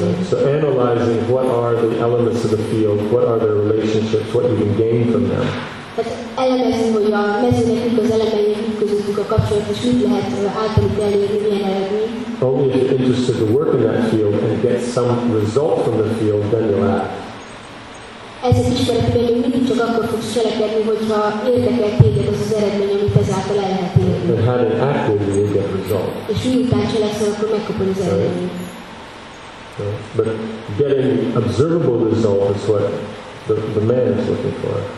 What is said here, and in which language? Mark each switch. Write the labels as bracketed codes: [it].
[en] So analyzing what are the elements of the field, what are their relationships, what you can gain from them. [hu] Elemezünk, hogy a mezőnek mik az elemei, mik közöttük a kapcsolat, és mit lehet általuk elérni, milyen eredmény. [en] Only if you're interested to work in that field and get some result from the field, then you'll act. [hu] Ez az ismeretében még mindig csak akkor fogsz cselekedni, hogyha érdekel téged az az eredmény, amit ezáltal el lehet érni. [en] And having acted, you will get result. [hu] És miután cselekszel, akkor megkapod az eredményt. [en] But getting observable result is what the man is looking for.